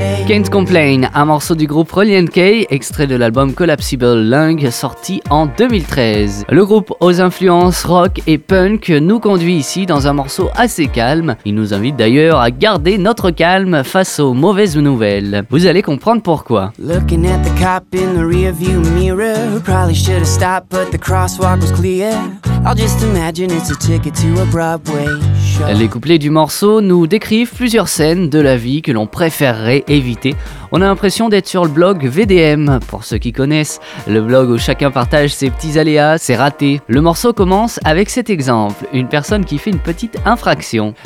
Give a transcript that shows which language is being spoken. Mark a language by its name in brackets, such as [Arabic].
[French] Can't Complain, un morceau du groupe Relient K, extrait de l'album Collapsible Lung, sorti en 2013. Le groupe aux influences rock et punk nous conduit ici dans un morceau assez calme. Il nous invite d'ailleurs à garder notre calme face aux mauvaises nouvelles. Vous allez comprendre pourquoi. [English] Looking at the cop in the rearview mirror, who probably should have stopped but the crosswalk was clear. I'll just imagine it's a ticket to a Broadway show. [French] Les couplets du morceau nous décrivent plusieurs scènes de la vie que l'on préférerait éviter. On a l'impression d'être sur le blog VDM, pour ceux qui connaissent, le blog où chacun partage ses petits aléas, ses ratés. Le morceau commence avec cet exemple, une personne qui fait une petite infraction.